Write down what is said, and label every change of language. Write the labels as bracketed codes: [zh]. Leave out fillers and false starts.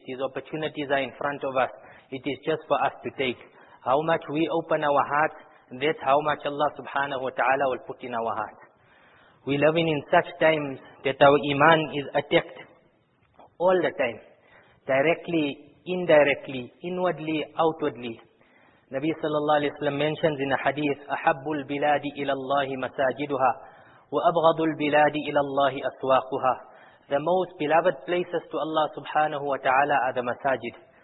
[en] These opportunities are in front of us. It is just for us to take. How much we open our hearts, that's how much Allah subhanahu wa ta'ala will put in our hearts. We live in such times that our iman is attacked all the time. Directly, indirectly, inwardly, outwardly. Nabi sallallahu alayhi wa sallam mentions in a hadith, [ar] أحب البلاد إلى الله مساجدها وأبغض البلاد إلى الله أسواقها. [en] The most beloved places to Allah subhanahu wa ta'ala are the masajid.